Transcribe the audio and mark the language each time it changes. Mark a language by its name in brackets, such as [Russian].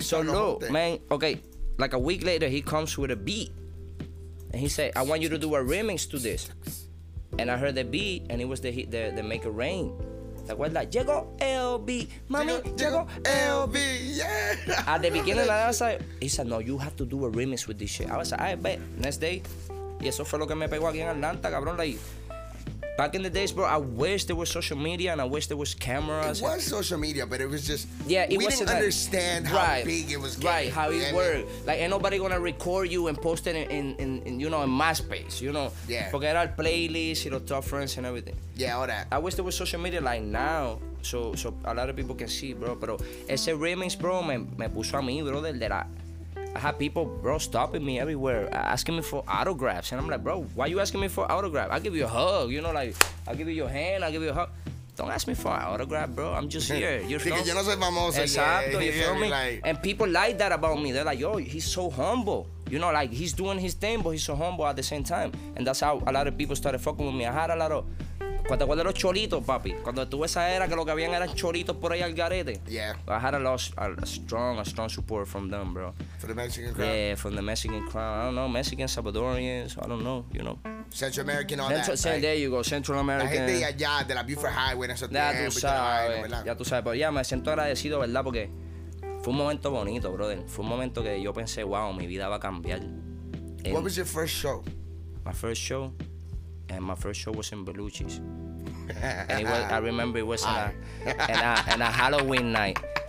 [English] So, look, man, okay, like a week later, he comes with a beat. And he said, I want you to do a remix to this. And I heard the beat, and it was the Make It Rain. [Spanish] ¿Te acuerdas? Llegó LB, mami, llegó LB. [English] Yeah. At the beginning, I was like, he said, no, you have to do a remix with this shit. I was like, I bet. Next day, [Spanish] y eso fue lo que me pegó aquí en Atlanta, cabrón. [English] Like, back in the days, bro, I wish there was social media and I wish there was cameras. It was social media, but it was just, we didn't understand how big it was getting. Right, how it worked. Like, ain't nobody gonna record you and post it in you know, in MySpace, you know? Yeah. Forget our playlists, you know, top friends and everything. Yeah, all that. I wish there was social media like now, so a lot of people can see, bro. [Spanish] Pero ese remix, bro, me puso a mí, brother, de la... [English] I had people, bro, stopping me everywhere, asking me for autographs. And I'm like, bro, why you asking me for autograph? I'll give you a hug, you know, like, I'll give you your hand, I'll give you a hug. Don't ask me for an autograph, bro. I'm just here. You're from... [Spanish] yo no soy famoso. [English] Exacto, you feel me? Like... And people like that about me. They're like, yo, he's so humble. You know, like, he's doing his thing, but he's so humble at the same time. And that's how a lot of people started fucking with me. I had a lot of... [Spanish] ¿Cuándo eran los cholitos, papi? Cuando tuve esa era que lo que habían eran cholitos por ahí al garete. [English] Yeah. I had a strong support from them, bro. For the Mexican crowd? Yeah, from the Mexican crowd. I don't know, Mexican, Salvadorians, I don't know, you know. Central American, all Central, that. Right? There you go, Central American. [Spanish] La gente allá, de la Buford Highway, eso ya tú sabes, pero ya me siento agradecido, ¿verdad? Porque fue un momento bonito, brother. Fue un momento que yo pensé, wow, mi vida va a cambiar. [English] What was your first show? My first show? And my first show was in Belushi's. And it was, I remember it was in a Halloween night.